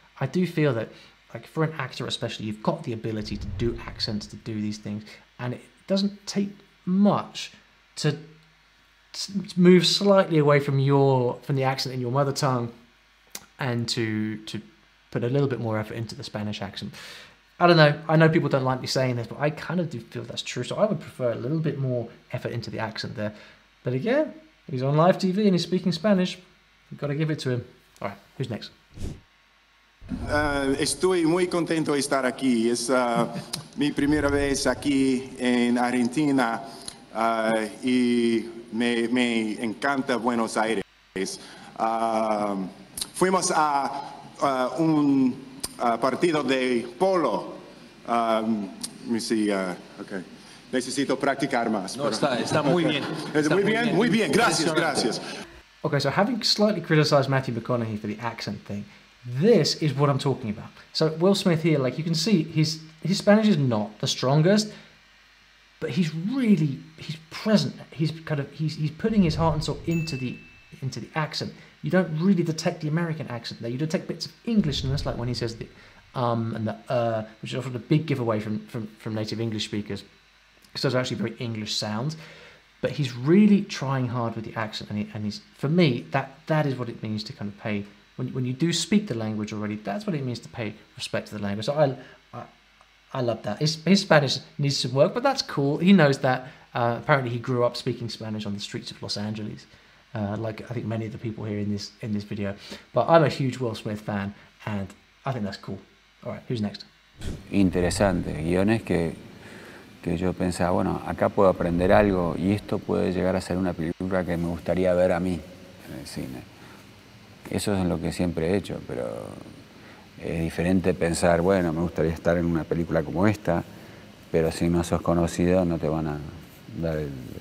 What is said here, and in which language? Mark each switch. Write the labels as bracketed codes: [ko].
[en] I do feel that, like, for an actor especially, you've got the ability to do accents, to do these things, and it doesn't take much to move slightly away from the accent in your mother tongue and to put a little bit more effort into the Spanish accent. I don't know. I know people don't like me saying this, but I kind of do feel that's true. So I would prefer a little bit more effort into the accent there. But again, he's on live TV and he's speaking Spanish. You've got to give it to him. All right, who's next? [es] Estoy muy contento de estar aquí. Es mi primera vez aquí en Argentina. Y me encanta Buenos Aires. Fuimos a un partido de polo. Okay. Necesito practicar más. No, está muy bien. Muy bien. Gracias. [en] Okay, so having slightly criticized Matthew McConaughey for the accent thing, this is what I'm talking about. So Will Smith here, like you can see, his Spanish is not the strongest, but he's present. He's putting his heart and soul into the accent. You don't really detect the American accent there. You detect bits of Englishness, like when he says the and the which is often a big giveaway from native English speakers, because those are actually very English sounds. But he's really trying hard with the accent, and he's for me that is what it means to kind of pay when you do speak the language already. That's what it means to pay respect to the language. So I love that. His Spanish needs some work, but that's cool. He knows that. Apparently, he grew up speaking Spanish on the streets of Los Angeles. Like I think many of the people here in this video, but I'm a huge Will Smith fan, and I think that's cool. All right, who's next? [es] Interesante guiones que yo pensaba, bueno, acá puedo aprender algo y esto puede llegar a ser una película que me gustaría ver a mí en el cine. Eso es lo que siempre he hecho, pero es diferente pensar, bueno, me gustaría estar en una película como esta, pero si no sos conocido no te van a dar el.